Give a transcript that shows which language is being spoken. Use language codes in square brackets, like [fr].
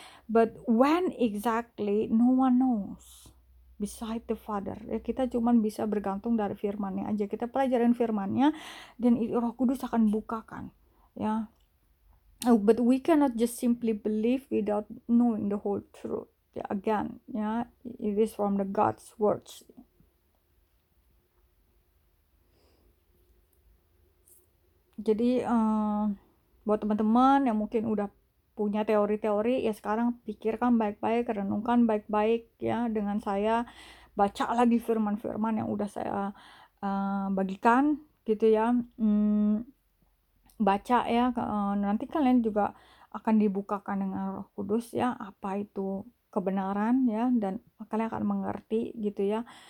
[en] But when exactly no one knows beside the Father. [id] Ya, kita cuman bisa bergantung dari firman-Nya aja. Kita pelajarin firman-Nya dan Roh Kudus akan bukakan, ya. [en] But we cannot just simply believe without knowing the whole truth. Ya, again, ya, it is from the God's words. [id] Jadi buat teman-teman yang mungkin udah punya teori-teori, ya sekarang pikirkan baik-baik, renungkan baik-baik ya dengan saya, baca lagi firman-firman yang udah saya bagikan gitu ya, baca ya, nanti kalian juga akan dibukakan dengan Roh Kudus ya, apa itu kebenaran ya, dan kalian akan mengerti gitu ya.